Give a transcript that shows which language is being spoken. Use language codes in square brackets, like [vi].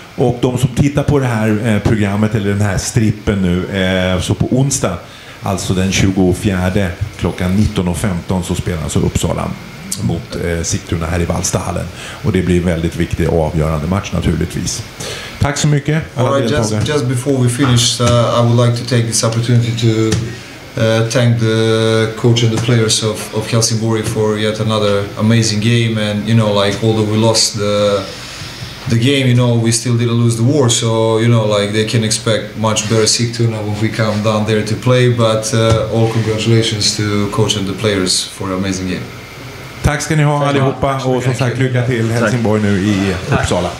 [sv] Och de som tittar på det här programmet eller den här strippen nu, så på onsdag, alltså den 24 klockan 19.15, så spelar alltså Uppsala mot Sigtuna här i Valstahallen, och det blir en väldigt viktig och avgörande match naturligtvis. Tack så mycket. [en] All right, just before we finish, I would like to take this opportunity to thank the coach and the players of Helsingborg for yet another amazing game. And you know, like, although we lost the game, you know, we still didn't lose the war, so you know, like, they can expect much better Sigtuna when we come down there to play. But all congratulations to coach and the players for an amazing game. [sv] Tack ska ni ha allihopa, och som sagt lycka till Helsingborg nu i Uppsala.